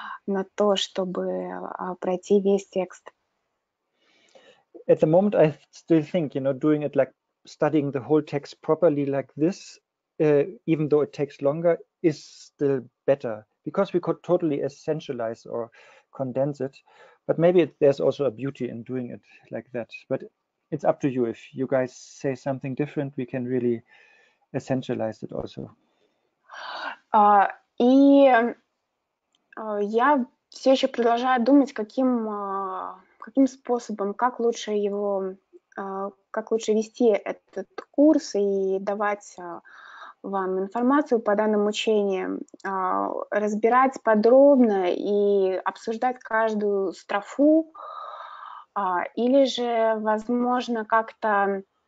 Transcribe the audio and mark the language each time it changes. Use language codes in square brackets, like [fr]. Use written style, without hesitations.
[ru] на то, чтобы пройти весь текст. [en] At the moment, I still think, you know, doing it like studying the whole text properly like this, even though it takes longer, is still better because we could totally essentialize or condense it. But maybe there's also a beauty in doing it like that. But it's up to you. If you guys say something different, we can really essentialize it also. [ru] И я все еще продолжаю думать, каким способом, как лучше его, как лучше вести этот курс и давать вам информацию по данным учениям, разбирать подробно и обсуждать каждую строфу, или же, возможно, как-то